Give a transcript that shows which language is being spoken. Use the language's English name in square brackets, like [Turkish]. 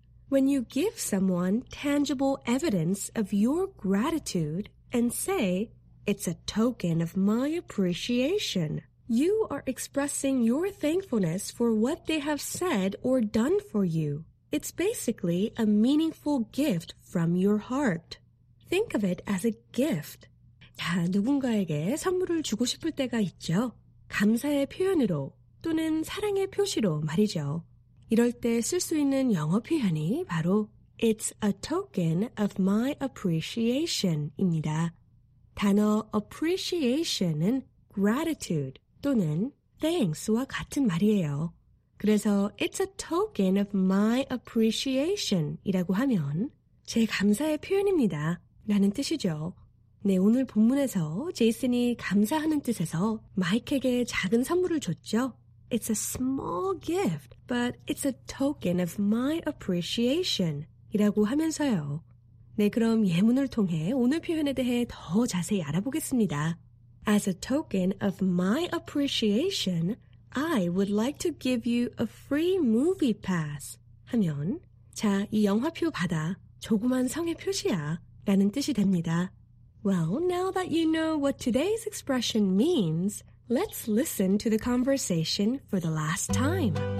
[English] When you give someone tangible evidence of your gratitude and say, it's a token of my appreciation, you are expressing your thankfulness for what they have said or done for you. It's basically a meaningful gift from your heart. Think of it as a gift. [Korean] 자, 누군가에게 선물을 주고 싶을 때가 있죠. 감사의 표현으로 또는 사랑의 표시로 말이죠. 이럴 때 쓸 수 있는 영어 표현이 바로 [English] It's a token of my appreciation [Korean] 입니다. 단어 appreciation은 gratitude 또는 thanks와 같은 말이에요. 그래서 [English] It's a token of my appreciation [Korean] 이라고 하면 제 감사의 표현입니다. 라는 뜻이죠. 네, 오늘 본문에서 제이슨이 감사하는 뜻에서 마이크에게 작은 선물을 줬죠. [English] It's a small gift, but it's a token of my appreciation. [Korean] 이라고 하면서요. 네, 그럼 예문을 통해 오늘 표현에 대해 더 자세히 알아보겠습니다. [English] As a token of my appreciation, I would like to give you a free movie pass. [Korean] 하면, 자, 이 영화표 받아. 조그만 성의 표시야. 라는 뜻이 됩니다. [English] Well, now that you know what today's expression means, let's listen to the conversation for the last time.